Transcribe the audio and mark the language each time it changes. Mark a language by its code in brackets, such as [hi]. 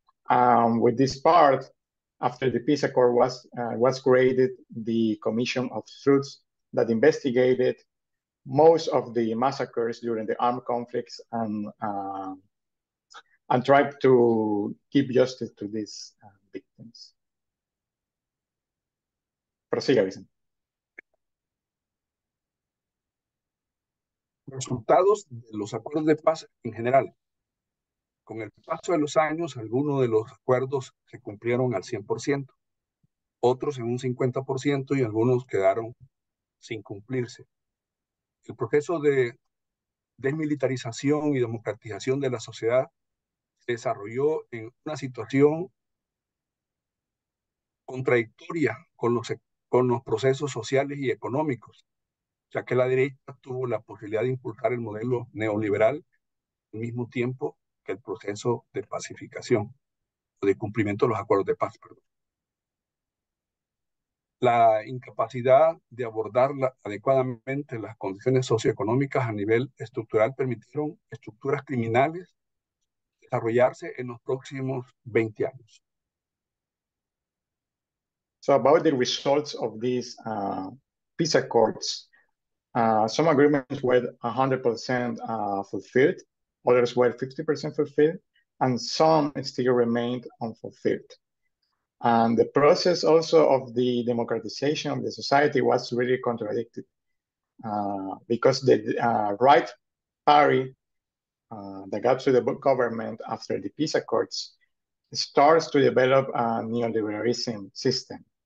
[en] With this part, after the peace accord was created, the Commission of Truths that investigated most of the massacres during the armed conflicts and tried to give justice to these victims. [es] Prosiga, [en] Vicente. [es] resultados de los acuerdos de paz en general. Con el paso de los años, algunos de los acuerdos se cumplieron al 100%, otros en un 50% y algunos quedaron sin cumplirse. El proceso de desmilitarización y democratización de la sociedad se desarrolló en una situación contradictoria con los procesos sociales y económicos, ya que la derecha tuvo la posibilidad de impulsar el modelo neoliberal al mismo tiempo que el proceso de pacificación o de cumplimiento de los acuerdos de paz, perdón. La incapacidad de abordar adecuadamente las condiciones socioeconómicas a nivel estructural permitieron estructuras criminales desarrollarse en los próximos 20 años. [en] So about the results of these peace accords, some agreements were 100% fulfilled, others were 50% fulfilled, and some still remained unfulfilled. And the process also of the democratization of the society was really contradicted because the right party that got to the government after the peace accords starts to develop a neoliberalism system.